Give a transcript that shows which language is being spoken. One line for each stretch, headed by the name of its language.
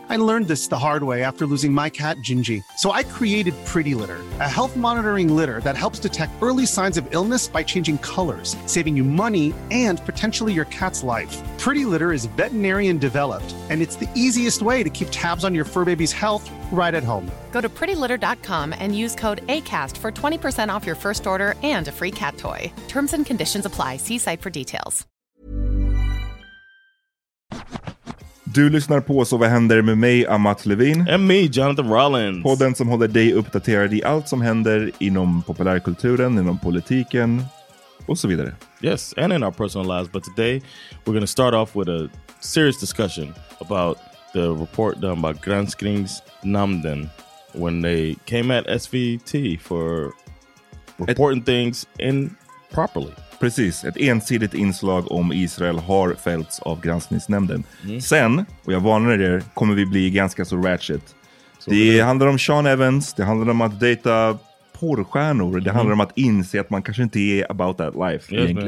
English: I learned this the hard way after losing my cat, Gingy. So I created Pretty Litter, a health monitoring litter that helps detect early signs of illness by changing colors, saving you money and potentially your cat's life. Pretty Litter is veterinarian developed, and it's the easiest way to keep tabs on your fur baby's health right at home. Go to prettylitter.com and use code ACAST for 20% off your first order and a free cat toy. Terms and conditions apply. See site for details.
Swedish: Du lyssnar på Så vad händer med mig, Amat Levin.
English: And me, Jonathan Rollins.
Swedish: Podden som håller dig uppdaterad i allt som händer inom populärkulturen, inom politiken och så vidare.
English: Yes, and in our personal lives. But today, we're going to start off with a serious discussion about the report done by Granskningsnämnden when they came at SVT for reporting things improperly.
Swedish: Precis, ett ensidigt inslag om Israel har fällts av granskningsnämnden. Mm. Sen, och jag varnar er, kommer vi bli ganska så ratchet. Så det handlar om Sean Evans, det handlar om att dejta porrstjärnor, det handlar om att inse att man kanske inte är
English: about that life
Swedish: egentligen.